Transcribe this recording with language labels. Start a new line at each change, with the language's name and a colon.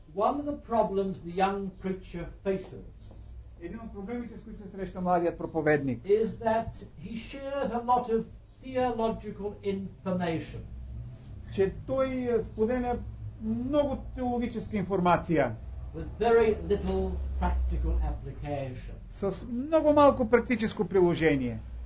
English: One of the problems the young preacher faces.
Bulgarian: Един от проблемите, с които се среща младият проповедник.
English: Is that he shares a lot of theological information.
Bulgarian: Че той споделя много теологическа информация.
English: With very little practical application.
Bulgarian: С много малко практическо приложение.